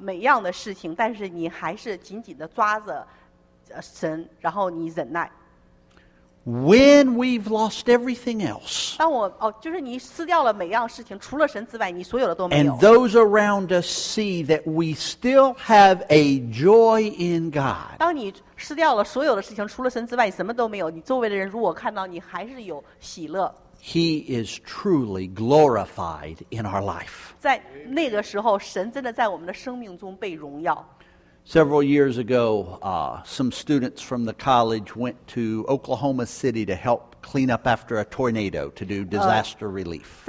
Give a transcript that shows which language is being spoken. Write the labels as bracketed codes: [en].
[zh] 就是约翰派伯说没有什么事情比这样的事情更荣耀神，这个事情就是说你已经失掉了每样的事情，但是你还是紧紧地抓着 神，然后你忍耐。 [en] When we've lost everything else, [zh] 就是你失掉了每样事情，除了神之外，你所有的都没有。 [en] And those around us see that we still have a joy in God. [zh] 当你失掉了所有的事情，除了神之外，什么都没有，你周围的人如果看到你还是有喜乐。 [en] He is truly glorified in our life. [zh] 在那个时候，神真的在我们的生命中被荣耀。 [en] Several years ago, some students from the college went to Oklahoma City to help clean up after a tornado to do disaster relief.